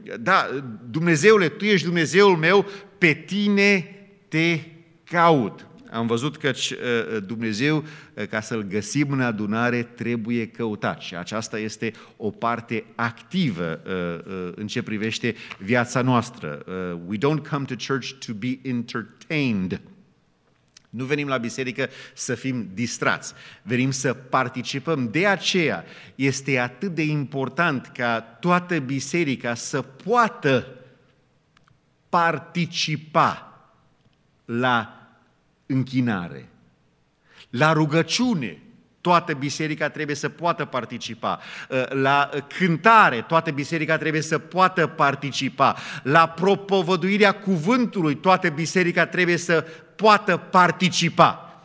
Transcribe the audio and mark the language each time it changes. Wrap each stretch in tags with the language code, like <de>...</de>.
<ro>Da, Dumnezeule, Tu ești Dumnezeul meu, pe Tine te caut. Am văzut că Dumnezeu, ca să-L găsim în adunare, trebuie căutat. Și aceasta este o parte activă în ce privește viața noastră.</ro> <en>We don't come to church to be entertained.</en> <ro>Nu venim la biserică să fim distrați. Venim să participăm. De aceea este atât de important ca toată biserica să poată participa la închinare, la rugăciune, toată biserica trebuie să poată participa, la cântare, toată biserica trebuie să poată participa, la propovăduirea cuvântului, toată biserica trebuie să poată participa.</ro>